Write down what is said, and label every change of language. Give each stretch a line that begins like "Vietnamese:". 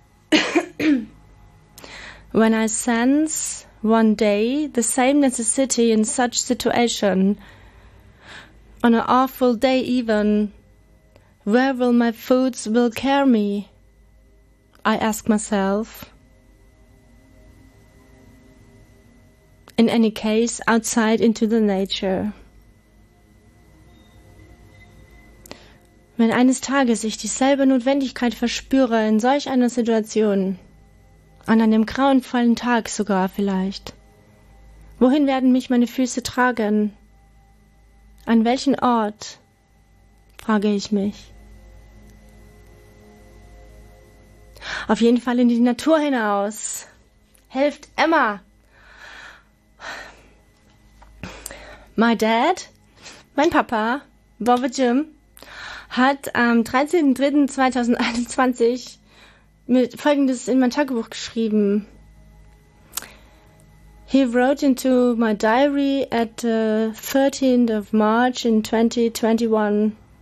English: when I sense one day the same necessity in such situation, on an awful day even, where will my foods will carry me? I ask myself. In any case, outside into the nature.
German: Wenn eines Tages ich dieselbe Notwendigkeit verspüre in solch einer Situation, an einem grauenvollen Tag sogar vielleicht, wohin werden mich meine Füße tragen? An welchen Ort? Frage ich mich. Auf jeden Fall in die Natur hinaus. Helft Emma!
English: My dad,
German: mein Papa, Bobby Jim, hat am 13.03.2021 mit Folgendes in mein Tagebuch geschrieben.
English: He wrote into my diary at the 13th of March in 2021.